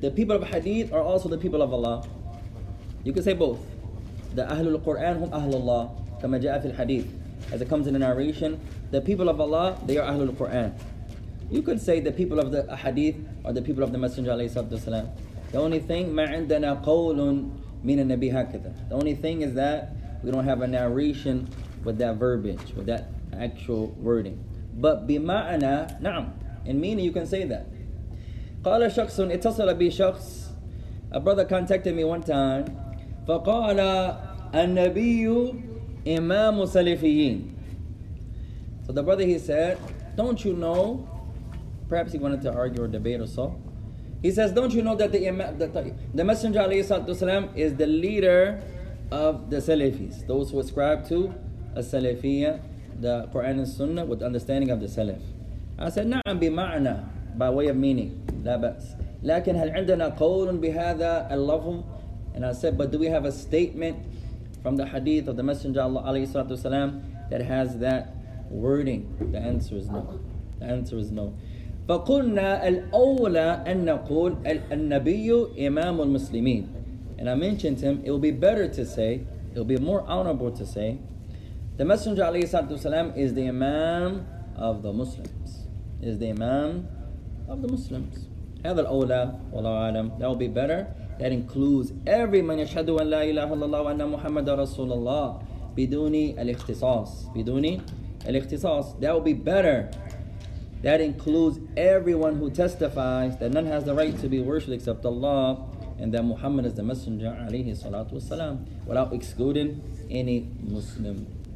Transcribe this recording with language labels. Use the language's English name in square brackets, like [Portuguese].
[English] The people of Hadith are also the people of Allah. You can say both. The Ahlul Quran hum Ahlullah. [Arabic] كما جاء في الحديث. [English] As it comes in the narration, the people of Allah, they are Ahlul Quran. You could say the people of the Hadith are the people of the Messenger عليه الصلاة والسلام. The only thing, [Arabic] ما عندنا قول من النبي هكذا. [English] The only thing is that we don't have a narration with that verbiage, with that actual wording. But [Arabic] بمعنى, نعم, [English] in meaning you can say that. [Arabic] قال شخص, اتصل بي شخص, [English] a brother contacted me one time, [Arabic] فقال النبي إمام سلفيين. [English] So the brother, he said, don't you know? Perhaps he wanted to argue or debate or so. He says, don't you know that the Messenger عليه الصلاة والسلام is the leader of the Salafis, those who ascribe to السلفية, the Quran and Sunnah with understanding of the Salaf. I said, [Arabic] نعم بمعنى, [English] by way of meaning, [Arabic] لا بأس. لكن هل عندنا قول بهذا اللفظ? [English] And I said, but do we have a statement from the Hadith of the Messenger Allah عليه الصلاة والسلام that has that wording? The answer is no. The answer is no. [Arabic] فقلنا الأولى أن نقول النبي إمام المسلمين. [English] And I mentioned to him, it will be better to say, it will be more honorable to say, the Messenger عليه الصلاة والسلام is the Imam of the Muslims. Is the Imam of the Muslims. [Arabic] هذا الأولى والله أعلم. [English] That will be better. That includes every [Arabic] من يشهد أن لا إله إلا الله وأن محمد رسول الله بدون الاختصاص. [English] بدون الاختصاص. That will be better. That includes everyone who testifies that none has the right to be worshipped except Allah and that Muhammad is the Messenger alayhi salatu wasalam, without excluding any Muslim.